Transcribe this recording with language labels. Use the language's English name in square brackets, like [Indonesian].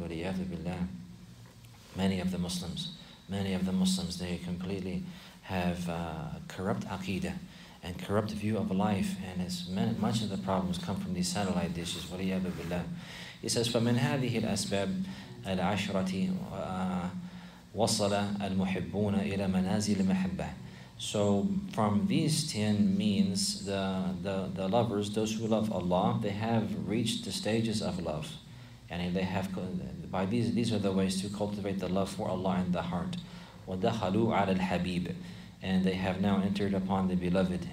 [English] Waliyadu billah, many of the Muslims, they completely have corrupt aqidah and corrupt view of life, and much of the problems come from these satellite dishes. [Arabic] وَلِيَابَ بِاللَّهِ. [English] He says, [Arabic] فَمِنْ هَذِهِ الْأَسْبَابِ الْعَشْرَةِ وَصَلَ الْمُحِبُّونَ إِلَى مَنَازِلِ مَحَبَّةِ. [English] So from these 10 means, the lovers, those who love Allah, they have reached the stages of love. And they have, by these are the ways to cultivate the love for Allah in the heart. [Arabic] وَدَخَلُوا عَلَى الْحَبِيبِ. [English] And they have now entered upon the beloved.